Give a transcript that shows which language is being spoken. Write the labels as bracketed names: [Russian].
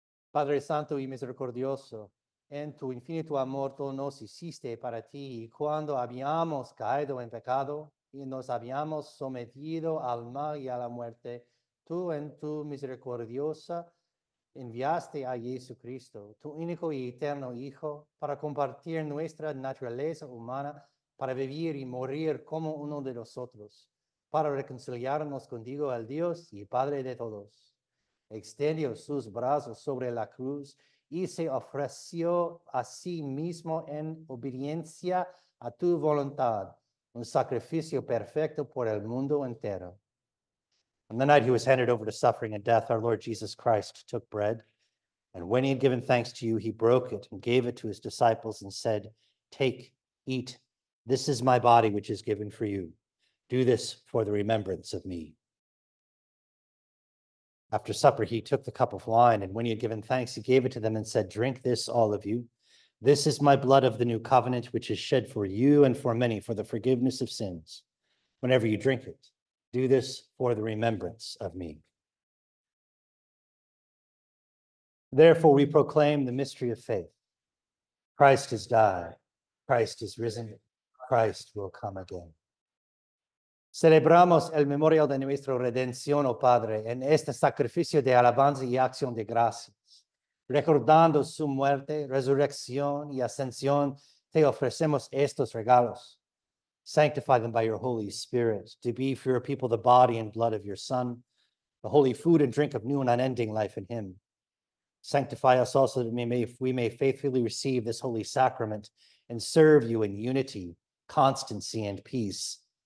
[Spanish] Padre Santo y Misericordioso, en tu infinito amor tú nos hiciste para ti, y cuando habíamos caído en pecado y nos habíamos sometido al mal y a la muerte, tú en tu misericordiosa enviaste a Jesucristo, tu único y eterno Hijo, para compartir nuestra naturaleza humana, para vivir y morir como uno de nosotros, para reconciliarnos contigo al Dios y Padre de todos. Extendió sus brazos sobre la cruz y se ofreció a sí mismo en obediencia a tu voluntad, un sacrificio perfecto por el mundo entero. [English] On the night he was handed over to suffering and death, our Lord Jesus Christ took bread. And when he had given thanks to you, he broke it and gave it to his disciples and said, "Take, eat, this is my body which is given for you. Do this for the remembrance of me." After supper, he took the cup of wine, and when he had given thanks, he gave it to them and said, "Drink this, all of you. This is my blood of the new covenant, which is shed for you and for many for the forgiveness of sins. Whenever you drink it, do this for the remembrance of me." Therefore, we proclaim the mystery of faith. Christ has died. Christ is risen. Christ will come again. [Spanish] Celebramos el memorial de nuestra redención, oh Padre, en este sacrificio de alabanza y acción de gracias. Recordando su muerte, resurrección y ascensión, te ofrecemos estos regalos. [English] Sanctify them by your Holy Spirit, to be for your people the body and blood of your Son, the holy food and drink of new and unending life in him. Sanctify us also that we may faithfully receive this holy sacrament and serve you in unity, constancy, and peace.